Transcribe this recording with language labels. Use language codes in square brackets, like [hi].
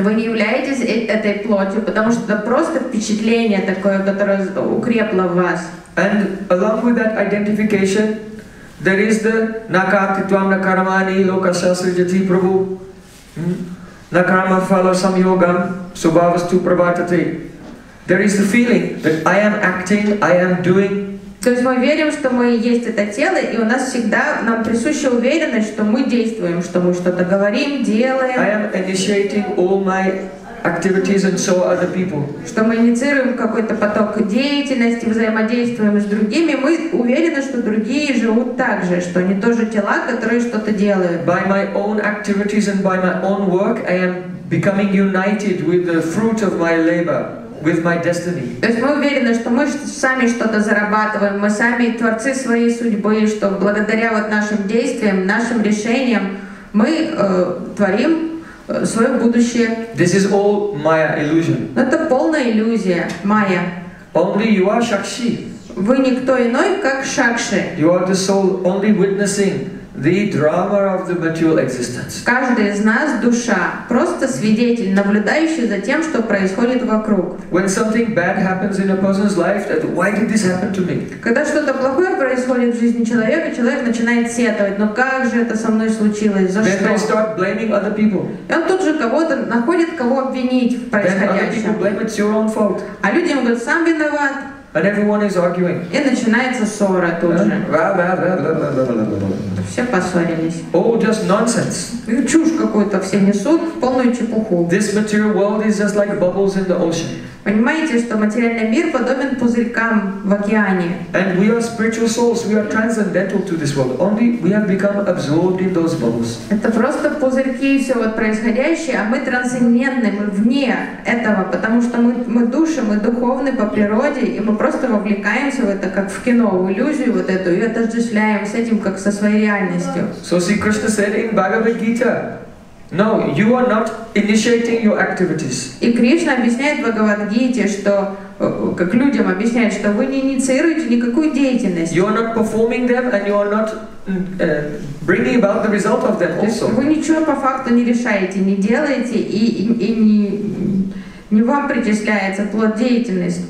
[ru] Вы не являетесь этой плотью, потому что это просто впечатление такое, которое укрепло в вас. [en] And along with that identification, there is the [sa] nakartitvam nakaramani lokasya srijati prabhu nakarma phala samyogam subhavastu prabhatate. [en] There is the feeling that I am acting, I am doing. [ru] То есть мы верим, что мы есть это тело, и у нас всегда нам присуща уверенность, что мы действуем, что мы что-то говорим, делаем. [en] I am initiating all my activities and so other people. [ru] Что мы инициируем какой-то поток деятельности, взаимодействуем с другими, мы уверены, что другие живут так же, что они тоже тела, которые что-то делают. [en] By my own activities and by my own work, I am becoming united with the fruit of my labor, with my destiny. [ru] То есть мы уверены, что мы сами что-то зарабатываем, мы сами творцы своей судьбы, что благодаря вот нашим действиям, нашим решениям, мы творим свое будущее. [en] This is all Maya illusion. [ru] Это полная иллюзия, Maya. [en] Only you are Shakshi. [ru] Вы никто иной, как Шакши. [en] You are the soul only witnessing the drama of the material existence. [ru] Каждый из нас душа, просто свидетель, наблюдающий за тем, что происходит вокруг. [en] When something bad happens in a person's life, that why did this happen to me? [ru] Когда что-то плохое происходит в жизни человека, человек начинает сетовать: но как же это со мной случилось? За [en] then [ru] что? [en] They start blaming other people. [ru] И он тут же кого-то находит, кого обвинить в происходящем. [en] Then other people blame it's your own fault. [ru] А люди ему говорят: сам виноват. [en] And everyone is arguing. [ru] И начинается ссора тут же. Все поссорились. [en] All just nonsense. [ru] И чушь какую-то все несут, полную чепуху. [en] This material world is just like bubbles in the ocean. [ru] Понимаете, что материальный мир подобен пузырькам в океане. [en] And we are spiritual souls. We are transcendental to this world. Only we have become absorbed in those bubbles. [ru] Это просто пузырьки и все вот происходящее, а мы трансцендентны, мы вне этого, потому что мы души, мы духовны по природе, и мы просто вовлекаемся в это, как в кино, в иллюзию вот эту, и отождествляем с этим, как со своей реальностью. [en] So see, Krishna said in Bhagavad Gita, no, you are not initiating your activities. [ru] И Кришна объясняет в Бхагавад-гите, что как людям объясняет, что вы не инициируете никакую деятельность. [en] You are not performing them, and you are not bringing about the result of them also. [ru] Вы ничего по факту не решаете, не делаете и не вам причисляется плод деятельности.